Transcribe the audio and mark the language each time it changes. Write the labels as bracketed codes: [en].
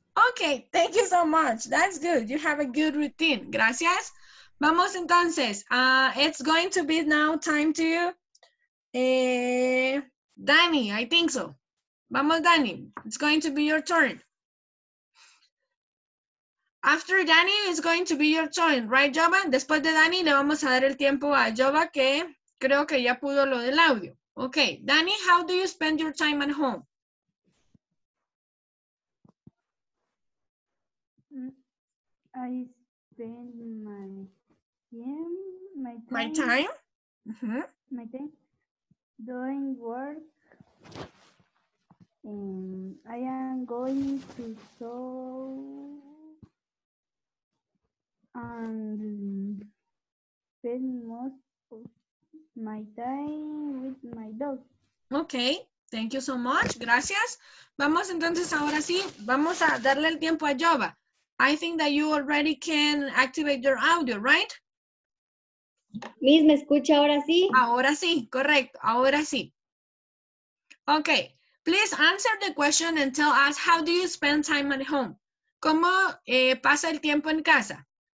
[en] Okay, thank you so much. That's good. You have a good routine. Gracias. [es] Vamos entonces. [en] It's going to be now time to you. Dani, I think so. [es] Vamos, Dani. [en] It's going to be your turn. After Dani, it's going to be your turn. Right, Jova? [es] Después de Dani, le vamos a dar el tiempo a Jova, que creo que ya pudo lo del audio. [en] Okay, Dani, how do you spend your time at home? I spend my time. My time doing work. I am going to school and spend most of my time with my dog. Okay, thank you so much. Gracias. [es] Vamos entonces ahora sí, vamos a darle el tiempo a Jova. [en] I think that you already can activate your audio, right? [es] Miss, ¿me escucha ahora sí? Ahora sí, correcto, ahora sí. [en] Okay, please answer the question and tell us how do you spend time at home? [es] ¿Cómo pasa el tiempo en casa?